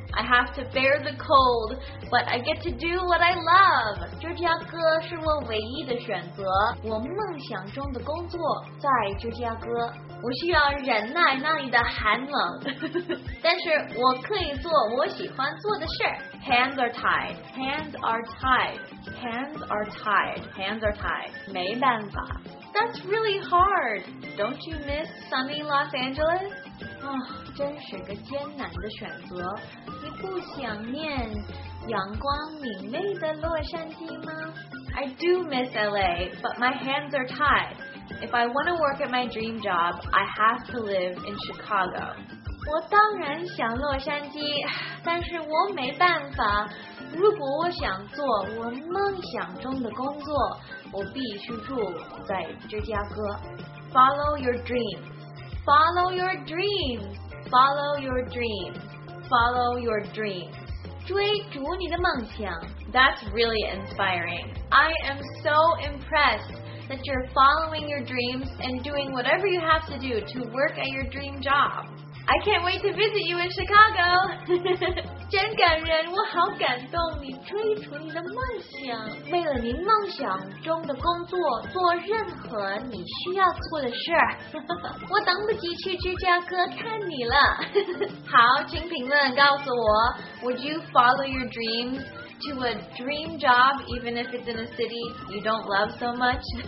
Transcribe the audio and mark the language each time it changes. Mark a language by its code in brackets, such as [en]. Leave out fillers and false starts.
[en] I have to bear the cold, but I get to do what I love. [zh] 芝加哥是我唯一的选择。我梦想中的工作在芝加哥。我需要忍耐那里的寒冷。但是我可以做我喜欢做的事。 [en] Hands are tied. Hands are tied. Hands are tied. Hands are tied. [zh] 没办法。 [en] That's really hard. Don't you miss sunny Los Angeles? [zh] 真是个艰难的选择。你不想念阳光明媚的洛杉矶吗？ [en] I do miss LA, but my hands are tied. If I want to work at my dream job, I have to live in Chicago. [zh] 我当然想洛杉矶，但是我没办法。如果我想做我梦想中的工作，我必须住在芝加哥。 [en] Follow your dreams. Follow your dreams. Follow your dreams. Follow your dreams. [zh] 追逐你的梦想。 [en] That's really inspiring. I am so impressed that you're following your dreams and doing whatever you have to do to work at your dream job. I can't wait to visit you in Chicago! [zh] 真感人，我好感动，你追逐你的梦想。为了你梦想中的工作，做任何你需要做的事。我等不及去芝加哥看你了。好，请评论告诉我 [en] ,Would you follow your dreams to a dream job even if it's in a city you don't love so much?